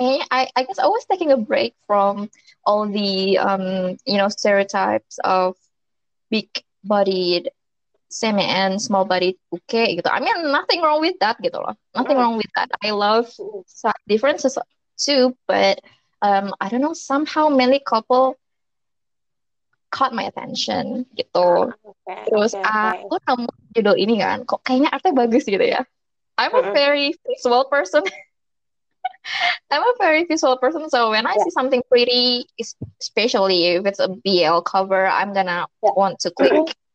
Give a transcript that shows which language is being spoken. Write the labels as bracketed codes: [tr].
[en] I guess I was taking a break from all the stereotypes of big bodied semi and small bodied bukeh [id] gitu. [en] I mean nothing wrong with that [id] gitu loh. [en] Nothing wrong with that. I love differences too, but I don't know, somehow manly couple caught my attention [id] gitu. Terus aku nemu judul ini kan, kok kayaknya artinya bagus gitu ya. [en] I'm a very visual person. I'm a very visual person, so when I see something pretty, especially if it's a BL cover, I'm gonna want to click.